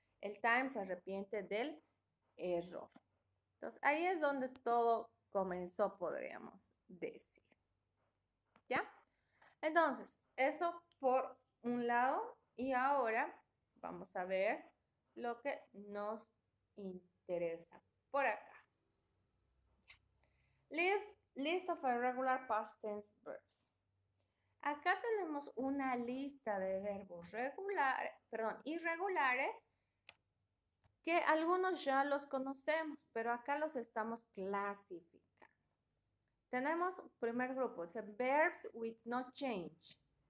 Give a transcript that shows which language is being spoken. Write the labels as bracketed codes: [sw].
[es] El Times se arrepiente del error. Entonces, ahí es donde todo comenzó, podríamos decir. ¿Ya? Entonces, eso por un lado, y ahora vamos a ver lo que nos interesa por acá. [en] List of irregular past tense verbs. [es] Acá tenemos una lista de verbos irregulares que algunos ya los conocemos, pero acá los estamos clasificando. Tenemos primer grupo, dice [en] verbs with no change.